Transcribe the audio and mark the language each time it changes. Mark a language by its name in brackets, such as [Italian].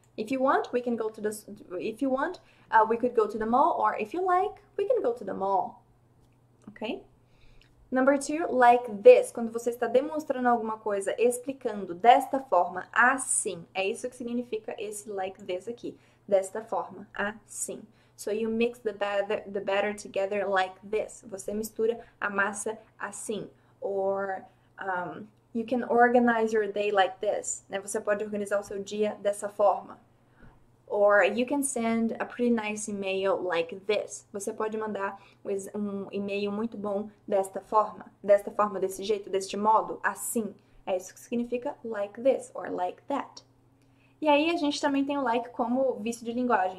[English] If you want, we can go to the. If you want, we could go to the mall. Or if you like, we can go to the mall. Ok? Number two, like this. [Portuguese] Quando você está demonstrando alguma coisa, explicando desta forma, assim. É isso que significa esse like this aqui. Desta forma, assim. [English] So you mix the batter together like this. [Portuguese] Você mistura a massa assim. Or. [English] You can organize your day like this. Né? [Portuguese] Você pode organizar o seu dia dessa forma. [English] Or you can send a pretty nice email like this. [Portuguese] Você pode mandar um e-mail muito bom desta forma, desse jeito, deste modo, assim. É isso que significa [English] like this or like that. [Portuguese] E aí a gente também tem o like como vício de linguagem.